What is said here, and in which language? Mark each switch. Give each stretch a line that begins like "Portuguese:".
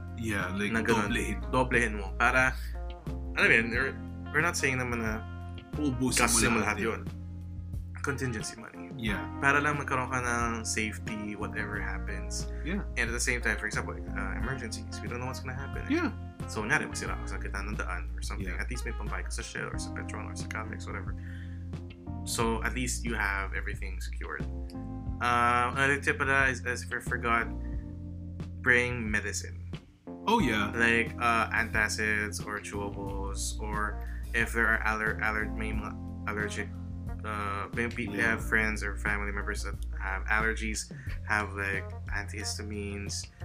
English: Yeah, like doblehin.
Filipino: Doblehin mo. Para, alam yun,
English: we're not saying
Filipino: naman na gastos mo lahat yun.
English: Contingency money. Yeah.
Filipino: Para lang magkaroon ka ng safety,
English: whatever happens. Yeah. And at the same time, for example, emergencies. We don't know what's gonna happen. Yeah.
Filipino: So, nangyari, masira ako sa kitaan ng daan or something. Yeah.
English: At least
Filipino: may pambay ka sa Shell or sa Petron or sa Cavex, whatever.
English: So, at least you have everything secured. Another tip pala is, as if I forgot, bring medicine. Oh, yeah. Like, antacids or chewables, or if there are allergic maybe they have friends or family members that have allergies, have like antihistamines.